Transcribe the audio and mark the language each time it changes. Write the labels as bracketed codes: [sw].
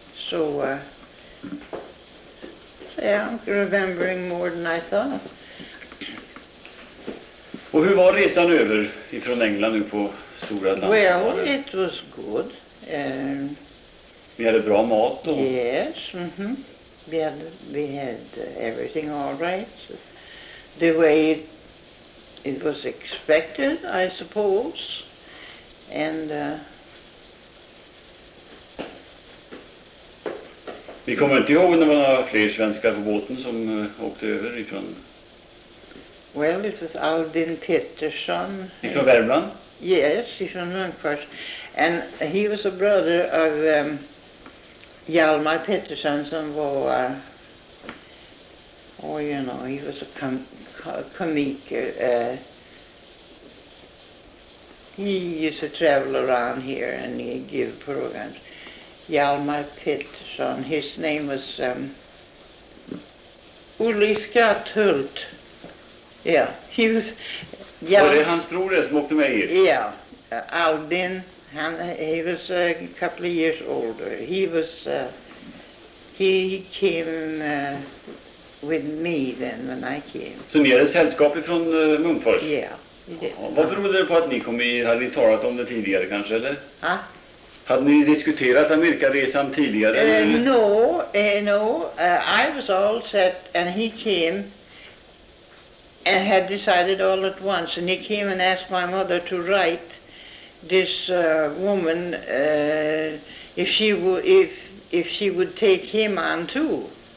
[en] So, yeah, I'm remembering more than I thought. [sv] Och hur var resan över ifrån England nu på Stora Atlanten? [en] Well, it was good. [sv] Vi hade bra mat då? [en] Yes, mm-hmm. We had everything all right, so the way it was expected, I suppose, and... [sv] Vi kommer inte ihåg när man har fler svenskar på båten som åkte över ifrån... [en] Well, it was Alvin Pettersson. [sv] Ifrån Värmland? [en] Yes, ifrån Lundfors. And he was a brother of Hjalmar Pettersson, [sv] som var, [en] he was a comic. He used to travel around here and he'd give programs. Hjalmar Pettersson, his name was Ulli Skatthult. Yeah, he was... [sv] Var det hans bror som åkte med er? [en] Yeah, Alvin. He was a couple of years older. He was, he came with me then when I came. [sv] Så ni hade sällskap ifrån Munkfors? Ja, [en] yeah, [sv] Vad berodde det på att ni kom i, hade ni talat om det tidigare kanske, eller? Ja. Hade ni diskuterat Amerikaresan tidigare? [en] No, I was all set and he came and had decided all at once. And he came and asked my mother to write this woman if she would take him on too.